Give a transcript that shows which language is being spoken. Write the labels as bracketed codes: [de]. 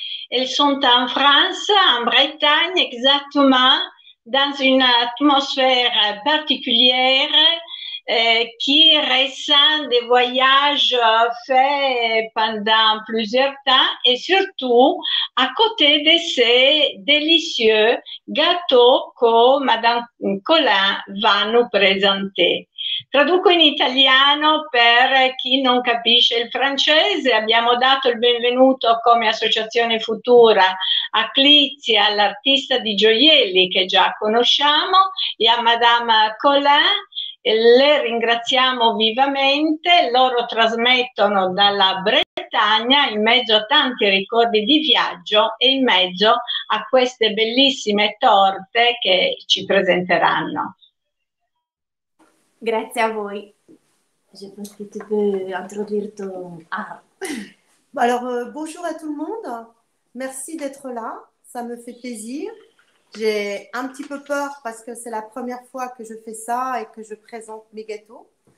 [fr] Elles sont en France, en Bretagne, exactement, dans une atmosphère particulière qui ressent des voyages faits pendant plusieurs temps et surtout à côté de ces délicieux gâteaux que Madame Colin va nous présenter. [it] Traduco in italiano per chi non capisce il francese. Abbiamo dato il benvenuto come Associazione Futura a Clizia, l'artista di gioielli che già conosciamo, e a Madame Colin. Le ringraziamo vivamente, loro trasmettono dalla Bretagna in mezzo a tanti ricordi di viaggio e in mezzo a queste bellissime torte che ci presenteranno. Grazie a voi. [fr] Je pense que tu peux introduire ton art. Alors, bonjour à tout le monde. Merci d'être là. Ça me fait plaisir. J'ai un petit peu peur parce que c'est la première fois que je fais ça et que je présente mes gâteaux.